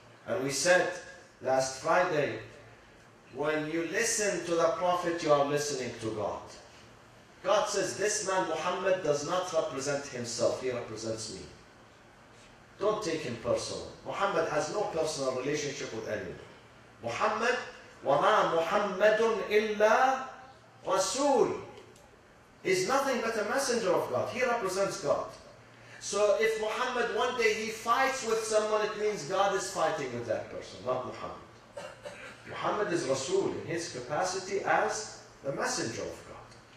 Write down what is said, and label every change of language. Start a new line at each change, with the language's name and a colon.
English: And we said last Friday, when you listen to the Prophet, you are listening to God. God says, this man Muhammad does not represent himself, he represents me. Don't take him personal. Muhammad has no personal relationship with anyone.
Arabic: Muhammad, وَمَا مُحَمَّدٌ إِلَّا رَسُولٌ.
English: He's nothing but a messenger of God. He represents God. So if Muhammad one day he fights with someone, it means God is fighting with that person, not Muhammad. Muhammad is Rasul in his capacity as the messenger of God.